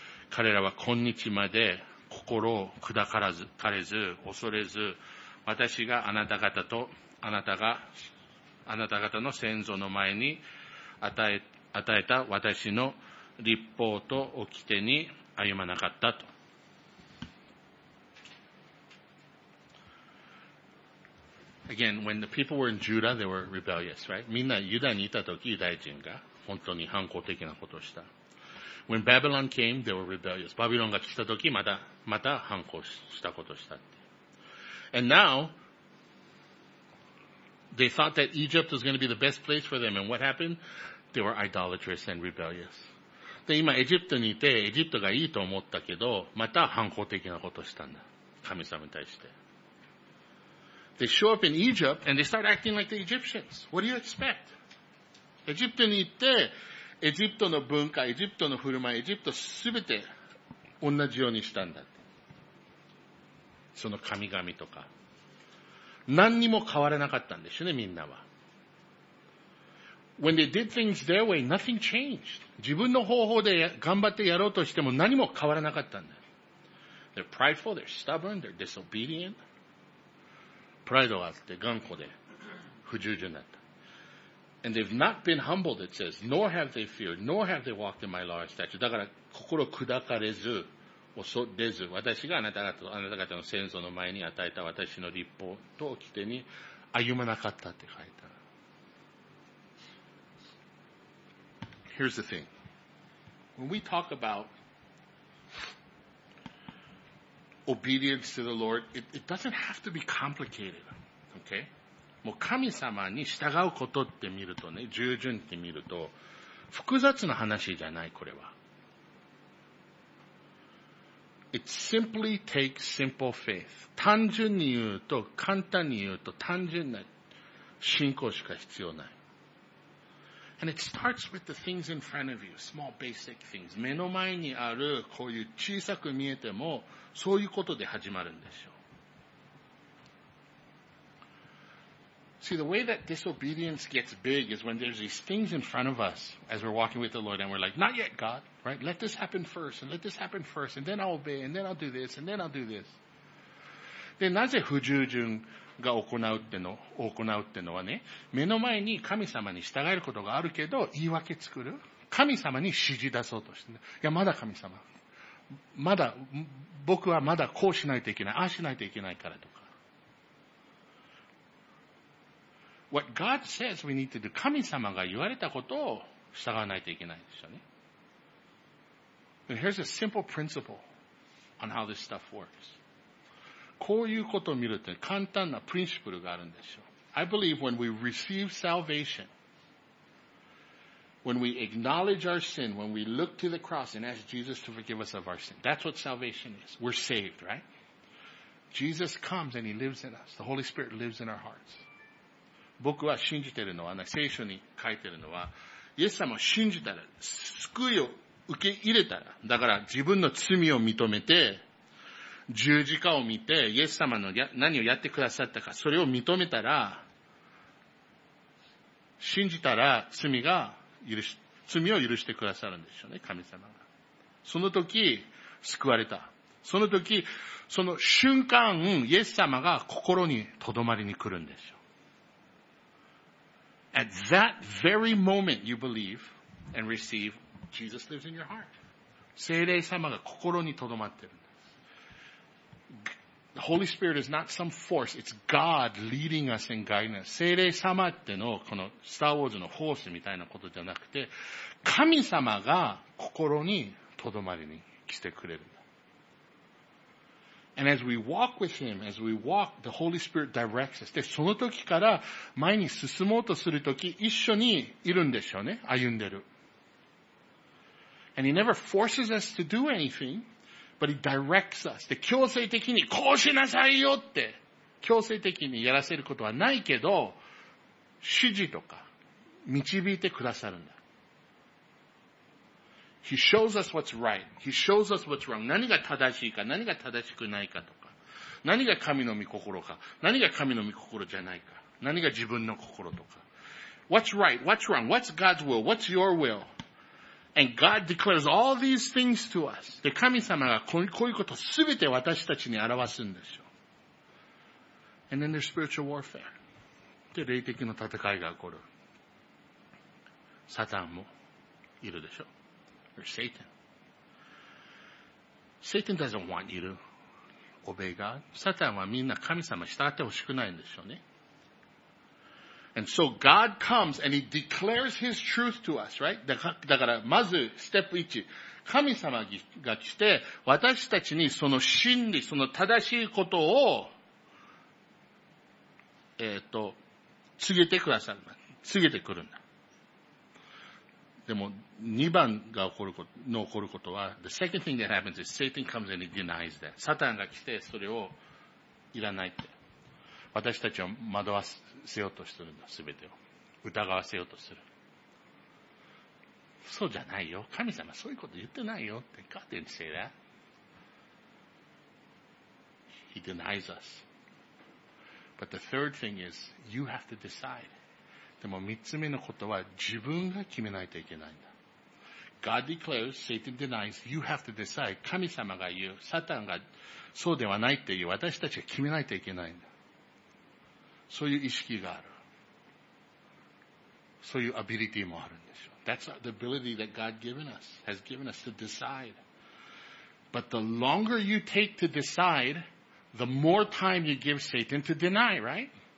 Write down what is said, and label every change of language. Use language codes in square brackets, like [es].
[ja] 彼らは今日まで心を砕かれず、恐れず、私があなた方と、あなた方の先祖の前に与えた私の立法と掟に歩まなかったと。 [en] Again, when the people were in Judah, they were rebellious, right? [ja] みんなユダにいたとき、ユダヤ人が本当に反抗的なことをした。 [en] When Babylon came, they were rebellious. [ja] バビロンが来たとき、また反抗したことをした。 [en] And now, they thought that Egypt was going to be the best place for them. And what happened? They were idolatrous and rebellious. [ja] で、今エジプトにいて、エジプトがいいと思ったけど、また反抗的なことをしたんだ。神様に対して。 [en] They show up in Egypt and they start acting like the Egyptians. What do you expect? [ja] エジプトに行って、エジプトの文化、エジプトの振る舞い、エジプトすべて同じようにしたんだって。その神々とか。何にも変わらなかったんですよね、みんなは。 [en] When they did things their way, nothing changed. [ja] 自分の方法で頑張ってやろうとしても何も変わらなかったんだ。 [en] They're prideful, they're stubborn, they're disobedient. [ja] プライドがあって頑固で不従順だった。 [en] And they've not been humbled, it says, nor have they feared, nor have they walked in my law and statute. [ja] だから心砕かれず、恐れず、私があなた方と、あなた方の先祖の前に与えた私の立法と規定に歩まなかったって書いた。 [en] Here's the thing. When we talk aboutobedience to the Lord, it doesn't have to be complicated. Okay? [ja] もう神様に従うことって見るとね、従順って見ると、複雑な話じゃない、これは。 [en] It simply takes simple faith. [ja] 単純に言うと、簡単に言うと、単純な信仰しか必要ない。 [en] And it starts with the things in front of you, small basic things. [ja] 目の前にあるこういう小さく見えてもそういうことで始まるんですよ。 [en] See, the way that disobedience gets big is when there's these things in front of us as we're walking with the Lord and we're like, not yet, God, right? Let this happen first and let this happen first and then I'll obey and then I'll do this and then I'll do this. [ja] で、なぜ不従順が行うってのはね、目の前に神様に従えることがあるけど、言い訳作る。神様に指示出そうとして、ね、いや、まだ神様。まだ、僕はまだこうしないといけない。ああしないといけないからとか。 [en] What God says we need to do, [ja] 神様が言われたことを従わないといけないでしょうね。 [en] And here's a simple principle on how this stuff works. [ja] こういうことを見ると簡単なプリンシプルがあるんでしょう。 [en] I believe when we receive salvation, when we acknowledge our sin, when we look to the cross and ask Jesus to forgive us of our sin, that's what salvation is. We're saved, right? Jesus comes and He lives in us. The Holy Spirit lives in our hearts. [ja] 僕は信じているのは、聖書に書いているのは、イエス様を信じたら、救いを受け入れたら、だから自分の罪を認めて、十字架を見て、イエス様の何をやってくださったか、それを認めたら、信じたら罪を許してくださるんでしょうね、神様が。その時、救われた。その時、その瞬間、イエス様が心に留まりに来るんでしょう。 [en] At that very moment you believe and receive, Jesus lives in your heart. [ja] 聖霊様が心に留まってるんです。 [en] The Holy Spirit is not some force, it's God leading us and guiding us. [ja] 聖霊様ってのこのスターウォーズのフォースみたいなことじゃなくて、神様が心に留まりに来てくれる。 [en] And as we walk with Him, as we walk, the Holy Spirit directs us. [ja] で、その時から前に進もうとする時、一緒にいるんでしょうね。歩んでる。 [en] And He never forces us to do anything, but He directs us. [ja] で、強制的にこうしなさいよって、強制的にやらせることはないけど、指示とか、導いてくださるんだ。 [en] He shows us what's right. He shows us what's wrong. [ja] 何が正しいか、何が正しくないかとか。何が神の御心か、何が神の御心じゃないか。何が自分の心とか。 [en] What's right? What's wrong? What's God's will? What's your will? And God declares all these things to us. [ja] で、神様がこういうことすべて私たちに表すんですよ。 [en] And then there's spiritual warfare. [ja] で、霊的な戦いが起こる。サタンもいるでしょ。 [en] Or Satan. Satan doesn't want you to obey God. [ja] Satan はみんな神様に従ってほしくないんでしょうね。 [en] And so God comes and He declares His truth to us, right? [ja] だからまずステップ1。神様が来て私たちにその真理、その正しいことを、告げてくださる。告げてくるんだ。でも、二番が起こること、の起こることは、 [en] the second thing that happens is Satan comes and he denies that. [ja] サタンが来て、それを、いらないって。私たちを惑わせようとするんだ、すべてを。疑わせようとする。そうじゃないよ。神様、そういうこと言ってないよって。 [en] God didn't say that. He denies us. But the third thing is, you have to decide. [ja] でも三つ目のことは自分が決めないといけないんだ。 [en] God declares, Satan denies, you have to decide. [ja] 神様が言う、サタンがそうではないっていう、私たちが決めないといけないんだ。そういう意識がある。そういうアビリティもあるんでしょう。 [en] That's the ability that God has given us to decide. But the longer you take to decide, the more time you give Satan to deny, right?